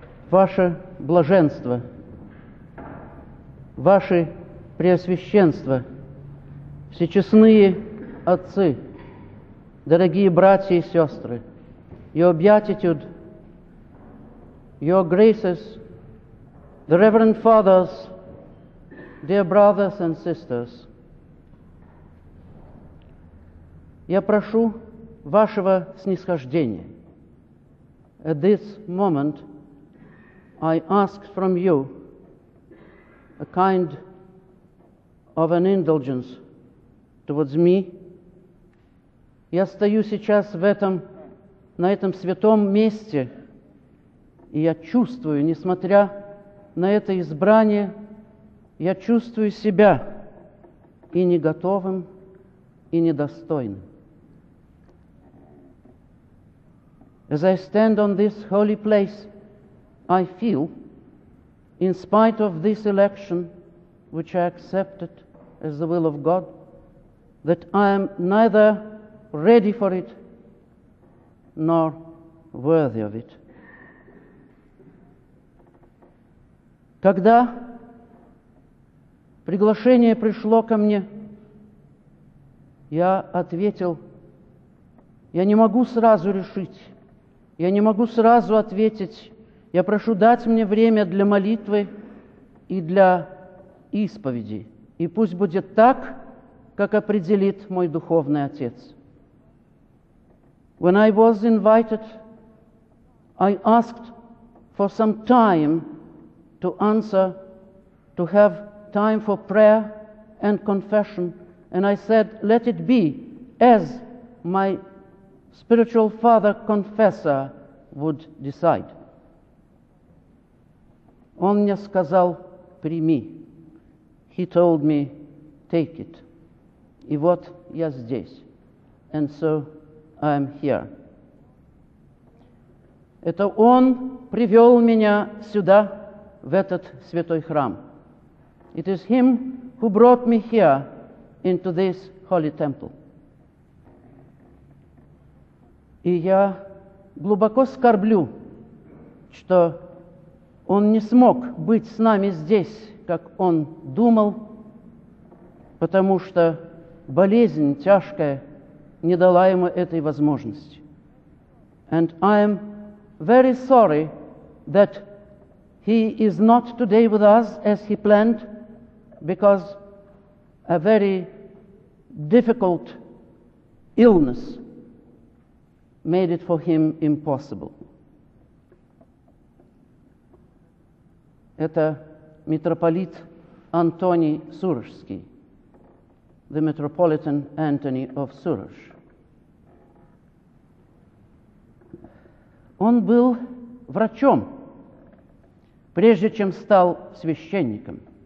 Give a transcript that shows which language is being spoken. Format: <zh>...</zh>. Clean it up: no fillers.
<ru>ваше блаженство, ваше преосвященство, всечестные отцы, дорогие братья и сестры,</ru> <en>your beatitude, your graces, the reverend fathers, dear brothers and sisters,</en> <ru>я прошу вашего снисхождения.</ru> <en>At this moment, I ask from you a kind of an indulgence towards me.</en> <ru>Я стою сейчас в этом, на этом святом месте, и я чувствую, несмотря на это избрание, я чувствую себя и не готовым, и недостойным.</ru> <en>As I stand on this holy place, I feel, in spite of this election, which I accepted as the will of God, that I am neither ready for it nor worthy of it.</en> <ru>Когда приглашение пришло ко мне, я ответил, я не могу сразу решить. Я не могу сразу ответить. Я прошу дать мне время для молитвы и для исповеди. И пусть будет так, как определит мой духовный отец.</ru> <en>When I was invited, I asked for some time to answer, to have time for prayer and confession. And I said, let it be as my spiritual father confessor would decide.</en> <ru>Он мне сказал, прими.</ru> <en>He told me, take it.</en> <ru>И вот я здесь.</ru> <en>And so I am here.</en> <ru>Это он привел меня сюда, в этот святой храм.</ru> <en>It is him who brought me here into this holy temple.</en> <ru>И я глубоко скорблю, что он не смог быть с нами здесь, как он думал, потому что болезнь тяжкая не дала ему этой возможности.</ru> <en>And I am very sorry that he is not today with us as he planned, because a very difficult illness made it for him impossible.</en> <ru>Это митрополит Антоний Сурожский, the Metropolitan Antony of Suraj. Он был врачом, прежде чем стал священником.</ru>